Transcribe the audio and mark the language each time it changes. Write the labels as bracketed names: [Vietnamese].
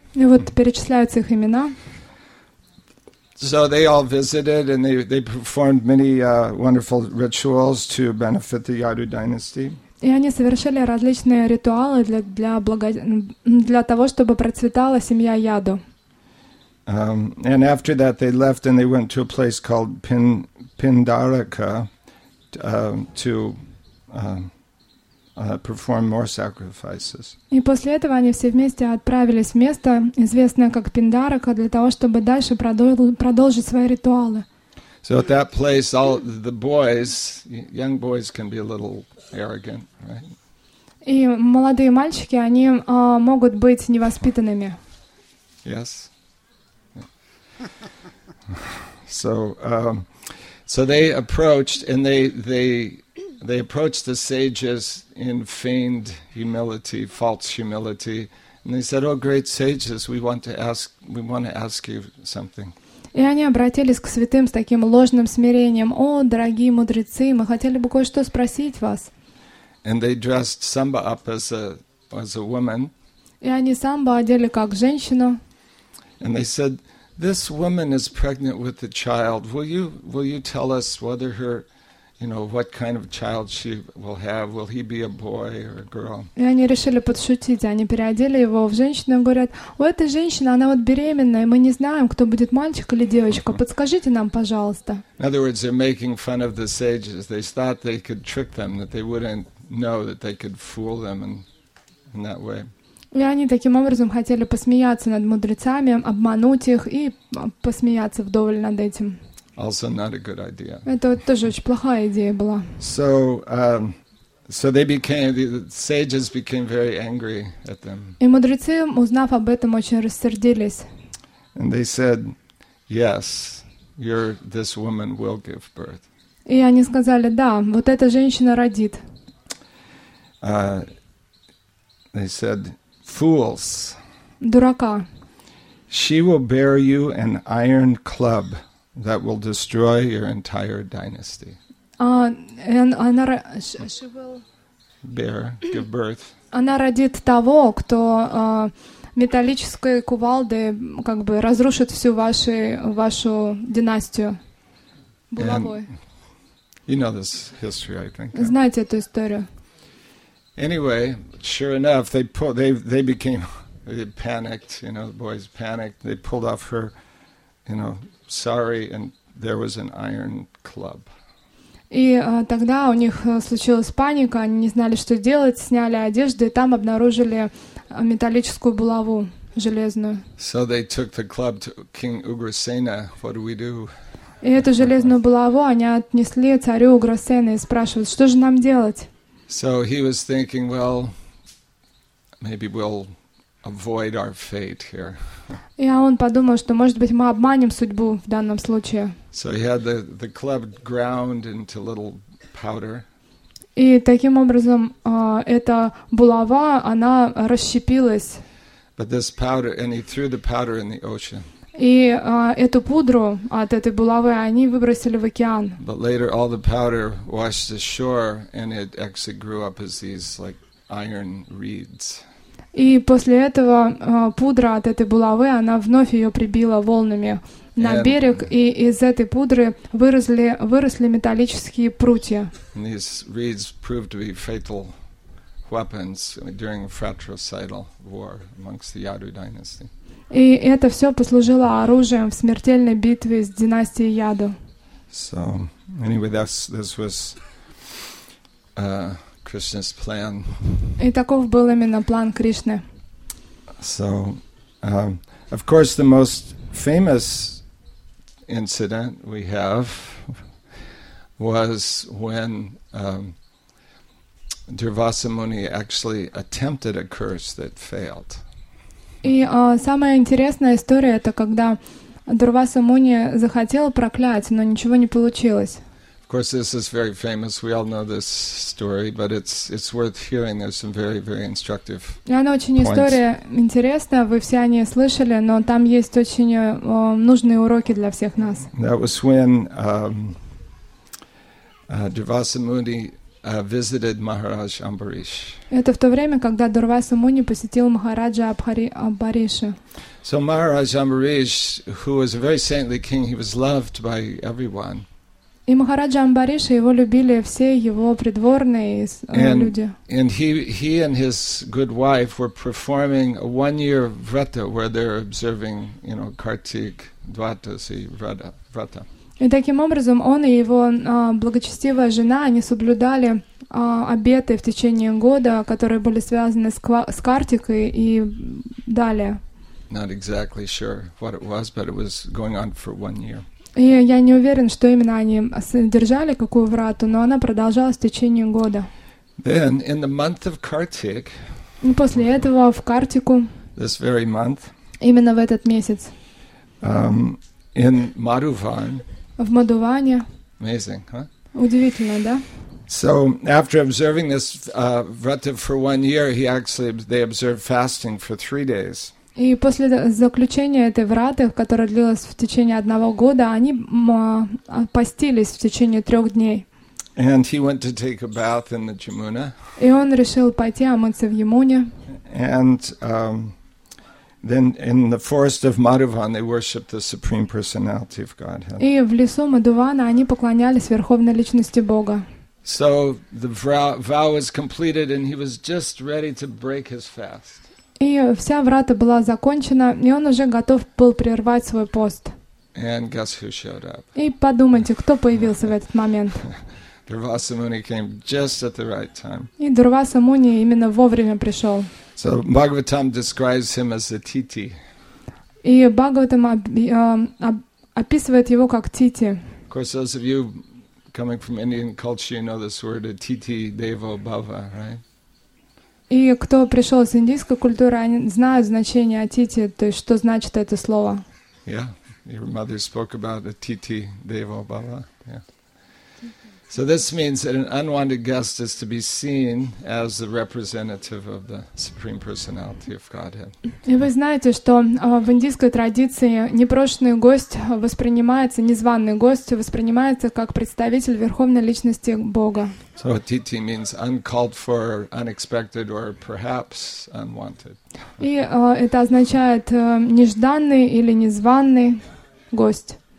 [Russian] И вот перечисляются их имена. [English] So they all visited and they performed many wonderful rituals to benefit the Yadu dynasty. [Russian] И они совершили различные ритуалы для того, чтобы процветала семья Яду. [English] And after that, they left and they went to a place called Pindarika to perform more sacrifices. [Russian] И после этого они все вместе отправились в место, известное как Пиндарика, для того, чтобы дальше продолжить свои ритуалы. [English] So at that place, all the boys, young boys, can be a little arrogant, right? [Russian] И молодые мальчики, они могут быть невоспитанными. [English] Yes. So they approached and they approached the sages in feigned humility, false humility, and they said, "Oh, great sages, we want to ask you something." [Russian] И они обратились к святым с таким ложным смирением. О, дорогие мудрецы, мы хотели бы кое-что спросить вас. [English] And they dressed Samba up as a woman. [Russian] И они Самба одели как женщину. [English] And they said, "This woman is pregnant with a child. Will you tell us whether her you know, what kind of child she will have. Will he be a boy or a girl? [Russian] И они решили подшутить. Они переодели его в женщину и говорят: у этой женщины она вот беременная, мы не знаем, кто будет мальчик или девочка. Подскажите нам, пожалуйста. [English] In other words, they're making fun of the sages. They thought they could trick them, that they wouldn't know, that they could fool them in that way. [Russian] И они таким образом хотели посмеяться над мудрецами, обмануть их и посмеяться вдоволь над этим. [English] Also not a good idea. [Russian] Это тоже очень плохая идея была. [English] So they became, the sages became very angry at them. [Russian] И мудрецы, узнав об этом, очень рассердились. [English] And they said, yes, your this woman will give birth. [Russian] И они сказали: да, вот эта женщина родит. [English] They said, fools. [Russian] Дурака. [English] She will bear you an iron club that will destroy your entire dynasty. She will bear, give birth. [Russian] Она родит того, кто металлической кувалдой как бы разрушит всю вашу династию булавой. [English] And you know this history, I think. [Russian] Знаете эту историю? [English] Anyway, sure enough, they became panicked, you know, the boys panicked. They pulled off her, you know, sari, and there was an iron club. [Russian] И тогда у них случилась паника, они не знали, что делать, сняли одежды, и там обнаружили металлическую булаву железную. [English] So they took the club to King Ugrasena. What do we do? [Russian] И эту железную булаву они отнесли царю Уграсена и спрашивают: что же нам делать? [English] So he was thinking, well, maybe we'll avoid our fate here. [Russian] Yeah, он подумал, что может быть мы обманем судьбу в данном случае. [English] So he had the club ground into little powder. [Russian] И таким образом эта булава, она расщепилась. [English] But this powder, and he threw the powder in the ocean. [Russian] И эту пудру от этой булавы они выбросили в океан. [English] But later all the powder washed ashore, and it actually grew up as these like iron reeds. [Russian] И после этого пудра от этой булавы она вновь ее прибила волнами на берег, и из этой пудры выросли металлические прутья. [English] And these reeds proved to be fatal weapons during fratricidal war amongst the Yadu dynasty. [Russian] И это все послужило оружием в смертельной битве с династией Яду. [English] So, anyway, this was Krishna's plan. [Russian] И таков был именно план Кришны. [English] So, of course, the most famous incident we have was when Durvasa Muni actually attempted a curse that failed. [Russian] И самая интересная история — это когда Дурваса Муни захотел проклять, но ничего не получилось. [English] Of course, this is very famous. We all know this story, but it's worth hearing. There's some very, very instructive points. [Russian] И она очень история интересная. Вы все о ней слышали, но там есть очень нужные уроки для всех нас. [English] That was when Durvasa Muni visited Maharaj Ambarish. [Russian] Это в то время, когда Дурваса Муни посетил Махараджа Амбариша. [English] So Maharaj Ambarish, who was a very saintly king, he was loved by everyone. [Russian] И Махараджа Амбариша, его любили все его придворные люди. [English] And he and his good wife were performing a one-year vrata, where they're observing, you know, Kartik Dvadasi vrata. [Russian] И таким образом он и его благочестивая жена, они соблюдали обеты в течение года, которые были связаны с Картикой и далее. [English] Not exactly sure what it was, but it was going on for one year. [Russian] И я не уверен, что именно они содержали какую врату, но она продолжалась в течение года. [English] Then, in the month of Kartik, [Russian] и после этого в Картику, [English] this very month, [Russian] именно в этот месяц, [English] in Madhuvan, [Russian] в Мадуване. [English] Amazing, huh? [Russian] Удивительно, да? [English] So after observing this vrata for one year, he actually they observed fasting for 3 days. [Russian] И после заключения этой враты, которая длилась в течение одного года, они постились в течение 3 дней. [English] And he went to take a bath in the Yamuna. [Russian] И он решил пойти омыться в Ямуне. [English] And Then in the forest of Madhuvan they worshiped the supreme personality of Godhead. [Russian] И в лесу Мадувана они поклонялись верховной личности Бога. [English] So the vow was completed and he was just ready to break his fast. [Russian] И вся врата была закончена, и он уже готов был прервать свой пост. [English] And guess who showed up? [Russian] И подумайте, кто появился в этот момент? [English] Durvasa Muni came just at the right time. [Russian] И Дурвасса Муни именно вовремя пришел. [English] So Bhagavatam describes him as a titi. [Russian] И Бхагаватам описывает его как тити. [English] Of course, those of you coming from Indian culture, you know this word, [Sanskrit] a titi devo bhava, [English] right? [Russian] И кто пришел из индийской культуры, они знают значение атити, то есть что значит это слово. [English] Yeah, your mother spoke about [Sanskrit] a titi devo bhava. [English] Yeah. So this means that an unwanted guest is to be seen as the representative of the Supreme Personality of Godhead. [Russian] И вы знаете, что в индийской традиции непрошенный гость воспринимается, незваный гость воспринимается как представитель Верховной Личности Бога. [English] So titi means uncalled for, unexpected, or perhaps unwanted. [Russian] И это означает нежданный или незваный гость.